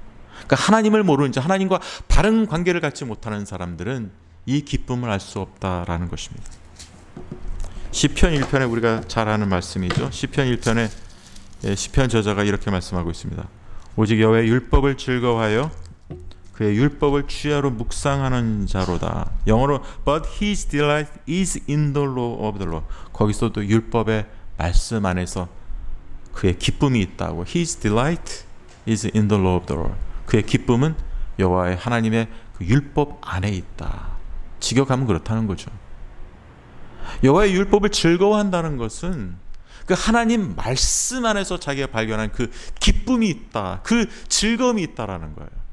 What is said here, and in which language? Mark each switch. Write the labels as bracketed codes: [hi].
[ko] 그러니까 하나님을 모르는 자, 하나님과 바른 관계를 갖지 못하는 사람들은 이 기쁨을 알 수 없다라는 것입니다. 시편 1편에 우리가 잘 아는 말씀이죠. 시편 1편에 시편 저자가 이렇게 말씀하고 있습니다. 오직 여호와의 율법을 즐거워하여 그의 율법을 주야로 묵상하는 자로다. 영어로 [en] But his delight is in the law of the Lord. [ko] 거기서도 율법의 말씀 안에서 그의 기쁨이 있다고. [en] His delight is in the law of the Lord. [ko] 그의 기쁨은 여호와의 하나님의 그 율법 안에 있다. 직역하면 그렇다는 거죠. 여호와의 율법을 즐거워한다는 것은 그 하나님 말씀 안에서 자기가 발견한 그 기쁨이 있다, 그 즐거움이 있다라는 거예요.